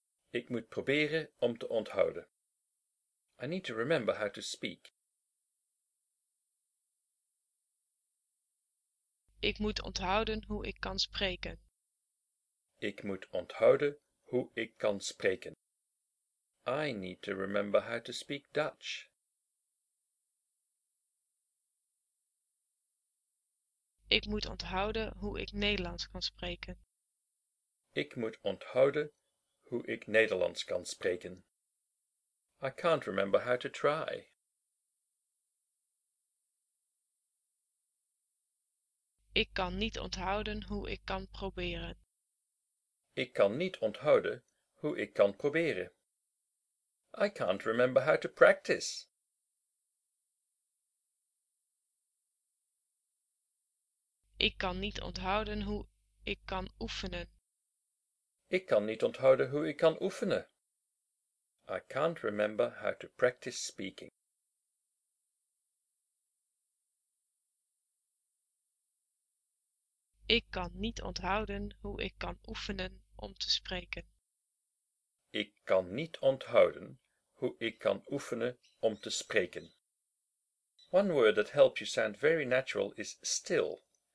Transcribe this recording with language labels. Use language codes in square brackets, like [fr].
[nl] Ik moet proberen om te onthouden. [en] I need to remember how to speak. [nl] Ik moet onthouden hoe ik kan spreken. Ik moet onthouden hoe ik kan spreken. [en] I need to remember how to speak Dutch. [nl] Ik moet onthouden hoe ik Nederlands kan spreken. Ik moet onthouden hoe ik Nederlands kan spreken. [en] I can't remember how to try. [nl] Ik kan niet onthouden hoe ik kan proberen. Ik kan niet onthouden hoe ik kan proberen. [en] I can't remember how to practice. [nl] Ik kan niet onthouden hoe ik kan oefenen. Ik kan niet onthouden hoe ik kan oefenen. [en] I can't remember how to practice speaking. [nl] Ik kan niet onthouden hoe ik kan oefenen om te spreken. Ik kan niet onthouden hoe ik kan oefenen om te spreken. [en] One word that helps you sound very natural is still.